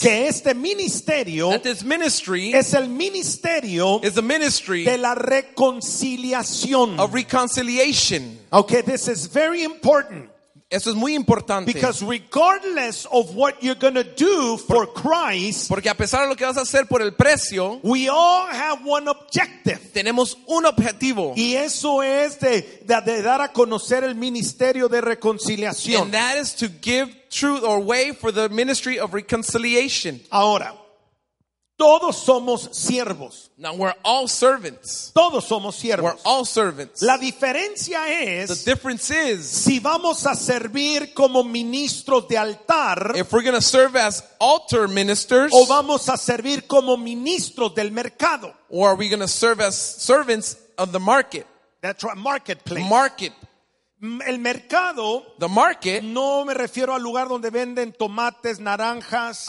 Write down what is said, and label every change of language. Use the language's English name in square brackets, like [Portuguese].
[Spanish] que este ministerio, [English] that this ministry, [Spanish] es el ministerio, [English] is the ministry, [Spanish] de la reconciliación, [English] of reconciliation. Okay, this is very important. [Spanish] Eso es muy importante. [English] Because regardless of what you're going to do for Christ, [Spanish] porque a pesar de lo que vas a hacer por el precio, [English] we all have one objective. [Spanish] Tenemos un objetivo. Y eso es de dar a conocer el ministerio de reconciliación. [English] And that is to give truth or way for the ministry of reconciliation. [Spanish] Ahora, todos somos siervos. [English] Now we're all servants. [Spanish] Todos somos siervos. [English] We're all servants. [Spanish] La diferencia es, [English] the difference is, [Spanish] si vamos a servir como ministros de altar, [English] if we're going to serve as altar ministers, [Spanish] o vamos a servir como ministros del mercado, [English] or are we going to serve as servants of the market? That's right, marketplace. Market. [Spanish] El mercado, [English] the market, [Spanish] no me refiero al lugar donde venden tomates, naranjas.